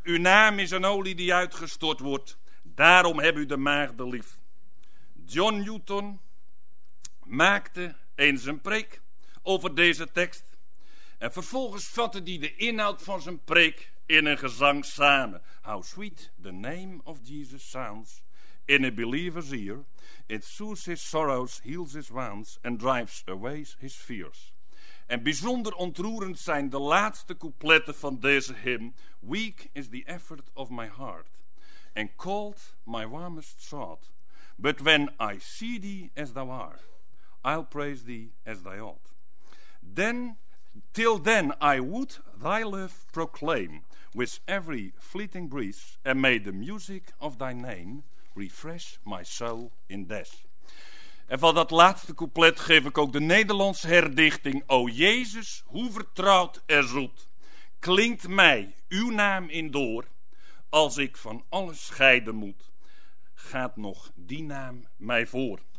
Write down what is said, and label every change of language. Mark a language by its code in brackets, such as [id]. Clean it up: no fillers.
[nl] Uw naam is een olie die uitgestort wordt. Daarom heb u de maagden lief. John Newton maakte eens een preek over deze tekst. En vervolgens vatte hij de inhoud van zijn preek in een gezang samen. [en] How sweet the name of Jesus sounds in a believer's ear. It soothes his sorrows, heals his wounds and drives away his fears. [nl] En bijzonder ontroerend zijn de laatste coupletten van deze hymn. [en] Weak is the effort of my heart, and cold my warmest thought. But when I see thee as thou art, I'll praise thee as thy ought. Then, till then I would thy love proclaim with every fleeting breeze, and may the music of thy name refresh my soul in death. [nl] En van dat laatste couplet geef ik ook de Nederlandse herdichting. O Jezus, hoe vertrouwd en zoet klinkt mij uw naam in door. Als ik van alles scheiden moet, gaat nog die naam mij voor.